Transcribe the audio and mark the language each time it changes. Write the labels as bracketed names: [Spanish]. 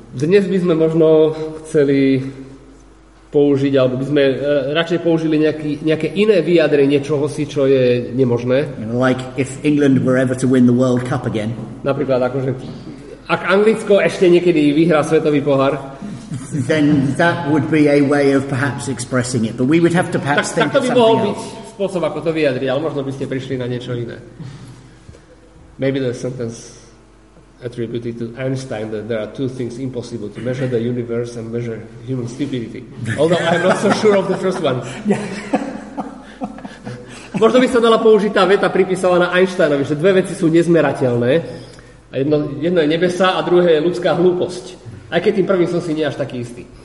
[Slovak] Dnes by sme možno chceli použiť, alebo by sme radšej použili nejaké iné vyjadrenie čohosi, čo je nemožné. [English] Like if England were ever to win the World Cup again. [Slovak] Napríklad akože, ak Anglicko ešte niekedy vyhrá svetový pohár, [English] then that would be a way of perhaps expressing it. But we would have to perhaps [Slovak] tak, tak [English] of something else. [Slovak] Tak to by mohol byť spôsob, ako to vyjadriť, ale možno by ste prišli na niečo iné. [English] Maybe the sentence attributed to Einstein that there are two things impossible, to measure the universe and measure human stupidity. Although I'm not so sure of the first one. [Slovak] Možno by sa dala použiť tá veta pripísaná Einsteinovi, že dve veci sú nezmerateľné. A jedno je nebesa a druhé je ľudská hlúposť. Aj keď tým prvým som si nie až taký istý.